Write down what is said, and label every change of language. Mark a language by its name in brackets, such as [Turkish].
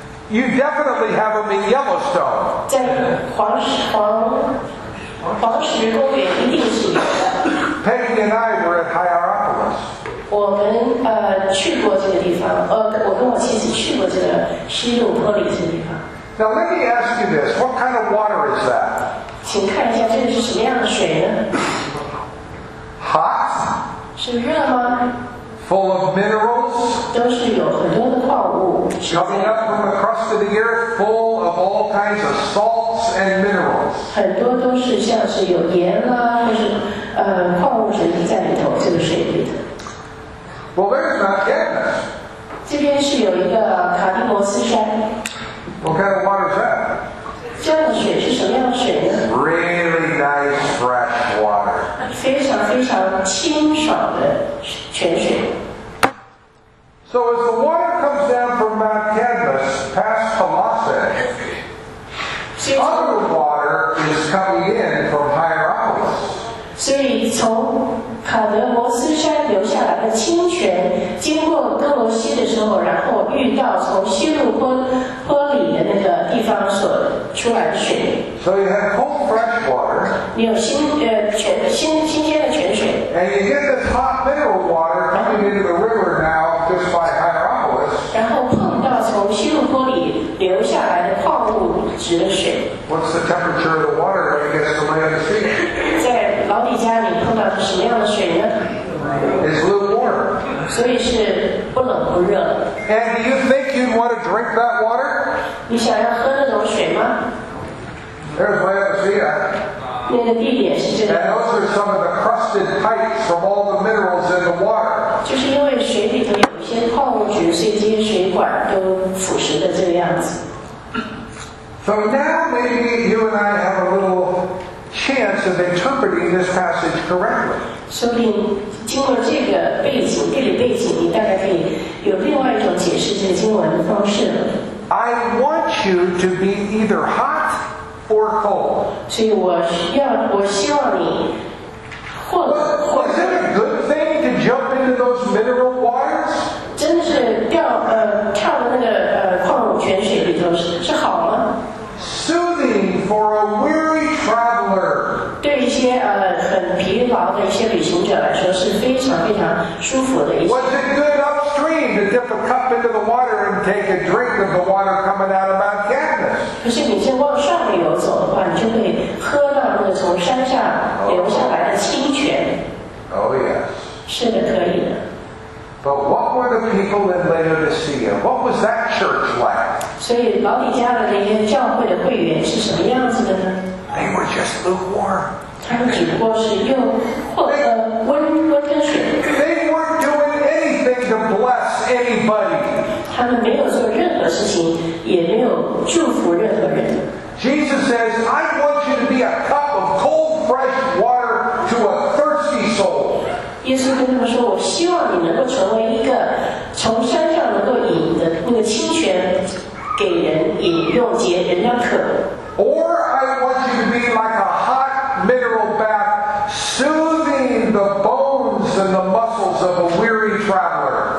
[English] You definitely have them in Yellowstone. [Chinese] 在黄石公园一定是有的。 [English] Peggy and I were at Hierapolis. [Chinese] 我们去过这个地方，我跟我妻子去过这个西洛波里这个地方。 [English] Now let me ask you this: What kind of water is that? [Chinese] 请看一下，这是什么样的水呢 [English] ？Hot? [Chinese] 是热吗 [English] ？Full of minerals? [Chinese] 都是有很多的矿物。 [English] Coming up from the crust of the earth, full of all kinds of salts and minerals. [Chinese] 很多都是像是有盐啦，或是矿物质在里头，这个水里的。 [English] Well, there's Mount Etna. [Chinese] 这边是有一个卡蒂摩斯山。 [English] What kind of water is that? [Chinese] 这样的水是什么样的水呢 [English] ？Really nice fresh water. [Chinese] 非常非常清爽的泉水。 [English] So as the water comes down from Mount Etna past Colossae, other water is coming in from Hierapolis. [Chinese] 所以从卡德摩斯山流下来的清泉经过哥罗西的时候然后遇到从西路坡里的那个地方所出来的水 [English] So you have cold fresh water [Chinese] 你有 新鲜的泉水 [English] And you get this hot mineral water coming into the river now just by Hierapolis [Chinese] 然后碰到从西路坡里流下来的矿物质的水 [English] What's the temperature of the water when it gets to land the sea? [Chinese] 在老底家里碰到什么样的水呢 [English] It's lukewarm. [Chinese] 所以是不冷不热 [English] And do you think you'd want to drink that water? [Chinese] 你想要喝那种水吗 [English] There's Laodicea. [Chinese] 那个地点是这个 [English] And those are some of the crusted pipes from all the minerals in the water. [Chinese] 就是因为水里头有一些矿物质所以这些水管都腐蚀的这个样子 [English] So now maybe you and I have a little chance of interpreting this passage correctly. [Chinese] 说不定经过这个背景地理背景你大概可以有另外一种解释这个经文的方式了。 [English] I want you to be either hot or cold. [Chinese] 所以我希望你或者 [English] Is it a good thing to jump into those mineral waters? [Chinese] 真的是掉呃跳到那个呃矿泉水里头是是好吗？ [English] Soothing for a weary traveler. [Chinese] 对一些呃很疲劳的一些旅行者来说是非常非常舒服的一些。 [English] Was it good upstream to dip a cup into the water and take a drink of the water coming out of Mount Katmus? [Chinese] 可是你先往上游走的话，你就会喝到那个从山下流下来的清泉。 [English] Oh yes. [Chinese] 是的，可以的。 [English] But what were the people in Laodicea? What was that church like? [Chinese] 所以老底家的那些教会的会员是什么样子的呢？ [English] They were just lukewarm. [Chinese] 他们只不过是用温的水。 [English] They weren't doing anything to bless anybody. [Chinese] 他们没有做任何事情，也没有祝福任何人。 [English] Jesus says, I want you to be a cup of cold, fresh water to a thirsty soul. [Chinese] 耶稣跟他们说，我希望你能够成为一个从山上能够饮的那个清泉，给人饮用解人的渴。 [English] Or I want you to be like a hot mineral bath, soothing the bones and the muscles of a weary traveler.